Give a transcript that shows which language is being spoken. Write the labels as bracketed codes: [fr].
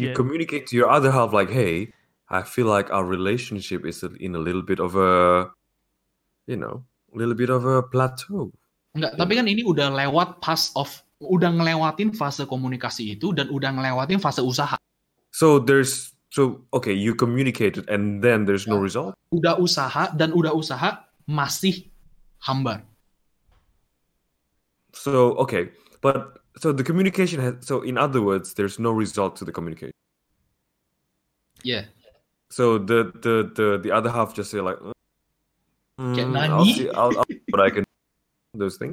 [en] You communicate to your other half like, "Hey, I feel like our relationship is in a little bit of a, you know, a little bit of a plateau." [id] Enggak, tapi kan ini udah lewat [en] pass of, [id] udah ngelewatin fase komunikasi itu dan udah ngelewatin fase usaha. [en] So, okay, you communicated and then there's no result. [id] Udah usaha dan udah usaha masih hambar. [en] So, okay, but so the communication has, so in other words, there's no result to the communication. Yeah. So the other half just say like, Get I'll [ja] nani? [en] see, I'll see what I can those things.